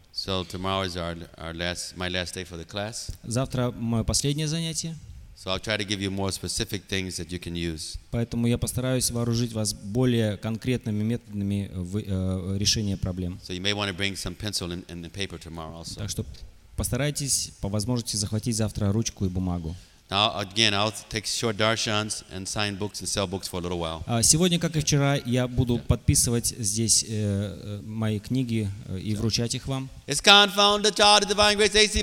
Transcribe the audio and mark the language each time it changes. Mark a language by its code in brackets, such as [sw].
[en] So tomorrow is my last day for the class. [ru] Завтра мое последнее занятие. [en] So I'll try to give you more specific things that you can use. [ru] Поэтому я постараюсь вооружить вас более конкретными методами решения проблем. [en] So you may want to bring some pencil and the paper tomorrow also. [ru] Так что постарайтесь по возможности захватить завтра ручку и бумагу. [en] Now again, I'll take short darshans and sign books and sell books for a little while. [ru] Сегодня, как и вчера, я буду подписывать здесь мои книги и вручать их вам. [en] It's confounded that the divine grace A.C.